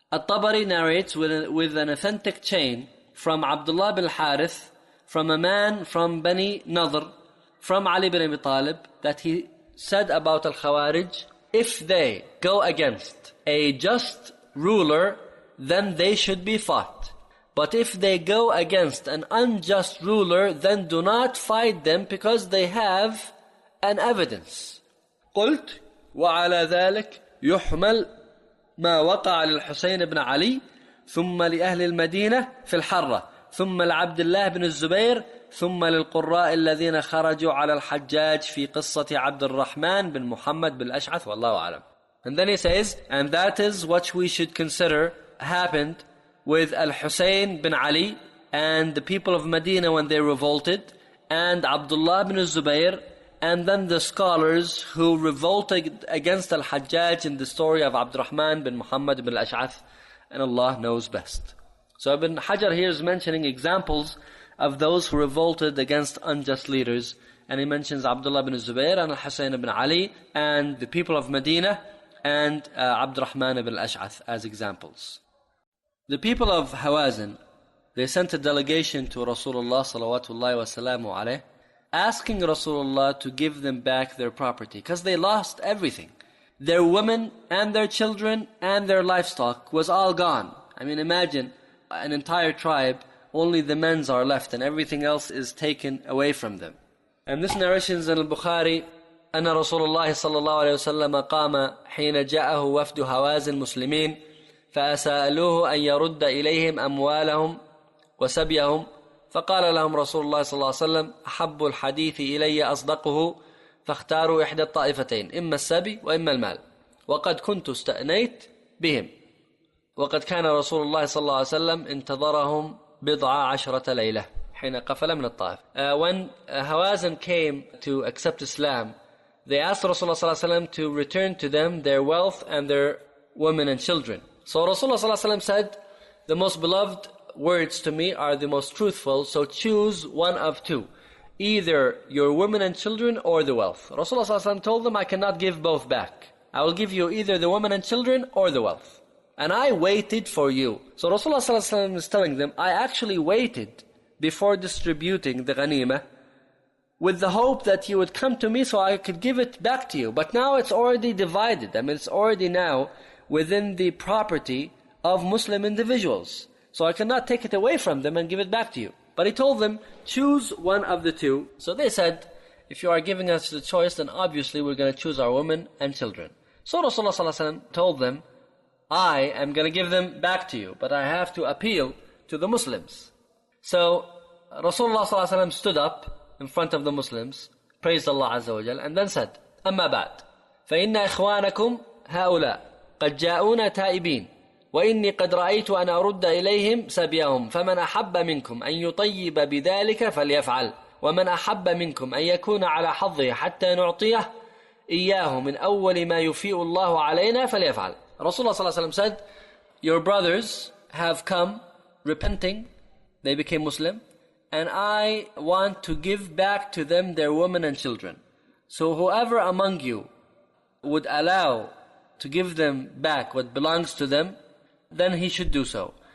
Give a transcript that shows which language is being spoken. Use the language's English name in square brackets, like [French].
[English] الطَّبَرِي narrates with an authentic chain from Abdullah bin Harith, from a man from Bani Nadr, from Ali bin Abi Talib, that he said about al-Khawarij, if they go against a just ruler, then they should be fought. But if they go against an unjust ruler, then do not fight them because they have an evidence. [Arabic] قلت وعلى ذلك يحمل ما وقع للحسين بن علي ثم لأهل المدينة في الحرة ثم العبد الله بن الزبير ثم للقراء الذين خرجوا على الحجاج في قصة عبد الرحمن بن محمد بالأشعث والله أعلم. [English] And then he says, and that is what we should consider happened with Al-Husayn bin Ali and the people of Medina when they revolted, and Abdullah bin Zubair, and then the scholars who revolted against Al-Hajjaj in the story of Abd al-Rahman bin Muhammad bin al-Ash'ath. And Allah knows best. So Ibn Hajar here is mentioning examples of those who revolted against unjust leaders. And he mentions Abdullah bin Zubair and Al-Husayn ibn Ali and the people of Medina and Abd al-Rahman ibn al-Ash'ath as examples. The people of Hawazin, they sent a delegation to Rasulullah salawatullahi wa salamu alayhi, asking Rasulullah to give them back their property because they lost everything. Their women and their children and their livestock was all gone. I mean, imagine an entire tribe, only the men's are left and everything else is taken away from them. And this narration is in al-Bukhari, [Arabic] أن رسول الله صلى الله عليه وسلم قام حين جاءه وفد هواز المسلمين فأسألوه أن يرد إليهم أموالهم وسبيهم فقال لهم رسول الله صلى الله عليه وسلم أحب الحديث إلي أصدقه فاختاروا إحدى الطائفتين إما السبي وإما المال وقد كنت استأنيت بهم وقد كان رسول الله صلى الله عليه وسلم انتظرهم بضع عشرة ليلة حين قفل من الطائف. [English] When Hawazin came to accept Islam, they asked Rasulullah صلى الله عليه وسلم to return to them their wealth and their women and children. So Rasulullah صلى الله عليه وسلم said, the most beloved words to me are the most truthful, so choose one of two, either your women and children or the wealth. Rasulullah ﷺ told them, I cannot give both back. I will give you either the women and children or the wealth. And I waited for you. So Rasulullah ﷺ is telling them, I actually waited before distributing the ghanima with the hope that you would come to me so I could give it back to you. But now it's already divided. I mean, it's already now within the property of Muslim individuals. So I cannot take it away from them and give it back to you. But he told them, choose one of the two. So they said, if you are giving us the choice, then obviously we're going to choose our women and children. So Rasulullah ﷺ told them, I am going to give them back to you, but I have to appeal to the Muslims. So Rasulullah ﷺ stood up in front of the Muslims, praised Allah Azza wa Jal, and then said, [Arabic] أما بعد فإن إخوانكم هؤلاء قد جاءونا تائبين وإني قد رأيت أن أرد إليهم سبيهم فمن أحب منكم أن يطيب بذلك فليفعل ومن أحب منكم أن يكون على حظه حتى نعطيه إياه من أول ما يفيء الله علينا فليفعل. [English] رسول الله صلى الله عليه وسلم said, your brothers have come repenting, they became Muslim, and I want to give back to them their women and children. So whoever among you would allow to give them back what belongs to them, then he should do so.